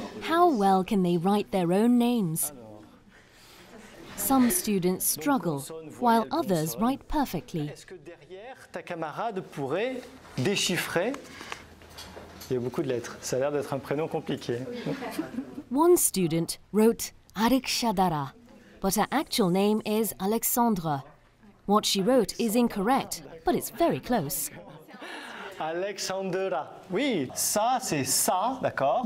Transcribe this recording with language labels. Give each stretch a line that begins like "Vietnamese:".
English: How well can they write their own names? Some students struggle, while others write perfectly.
French: Est-ce que derrière ta camarade pourrait déchiffrer? Il y a beaucoup de lettres. Ça a l'air d'être un prénom compliqué.
English: One student wrote Arikshadara, but her actual name is Alexandra. What she wrote is incorrect, but it's very close.
French: Alexandra. Oui, ça, c'est ça, d'accord?